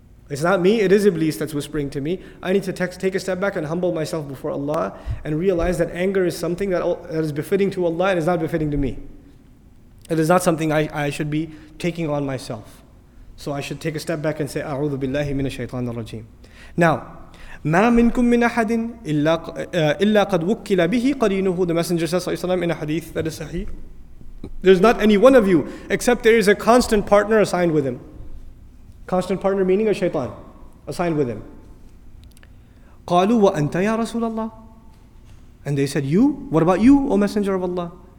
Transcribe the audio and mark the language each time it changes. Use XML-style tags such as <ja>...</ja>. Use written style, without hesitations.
<en>It's not me, it is Iblis that's whispering to me. I need to take a step back and humble myself before Allah and realize that anger is something that is befitting to Allah and is not befitting to me. It is not something I should be taking on myself. So I should take a step back and say, A'udhu billahi min ash-shaytan ar-rajim.</en> <ar>Now, مَا مِنْكُم مِّنْ أَحَدٍ إِلَّا قَدْ وُكِّلَ بِهِ قَرِينُهُ.</ar> <en>The Messenger says, in a hadith that is sahih, there's not any one of you except there is a constant partner assigned with him. Constant partner meaning a shaitan assigned with him.</en> <ar>قَالُوا وَأَنْتَ يَا رَسُولَ اللَّهِ.</ar> <en>And they said, you? What about you, O Messenger of Allah?</en>